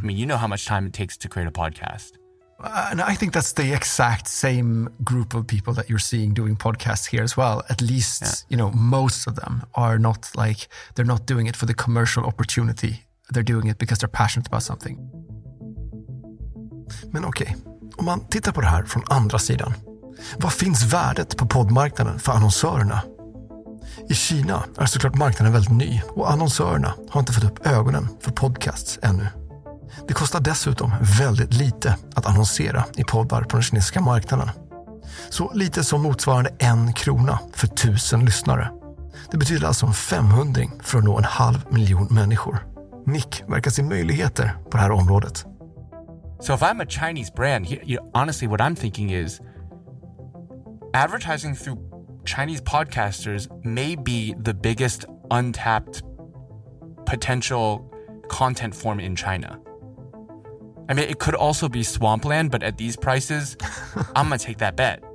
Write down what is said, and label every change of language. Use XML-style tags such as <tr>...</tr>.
<en>I mean, you know how much time it takes to create a podcast. And I think that's the exact same group of people that you're seeing doing podcasts here as well. At least, you know, most of them are not like, they're not doing it for the commercial opportunity. They're doing it because they're passionate about something.</en> <sv>Men okej, om man tittar på det här från andra sidan, vad finns värdet på poddmarknaden för annonsörerna? I Kina är såklart marknaden väldigt ny, och annonsörerna har inte fått upp ögonen för podcasts ännu. Det kostar dessutom väldigt lite att annonsera i poddar på den kinesiska marknaden. Så lite som motsvarande en krona för 1000 lyssnare. Det betyder alltså en 500 för att nå en 500 000 människor. Nick verkar se möjligheter på det här området.</sv> <en>So if I'm a Chinese brand, honestly, what I'm thinking is, advertising through Chinese podcasters may be the biggest untapped potential content form in China. I mean, it could also be swampland, but at these prices, I'm going to take that bet.</en>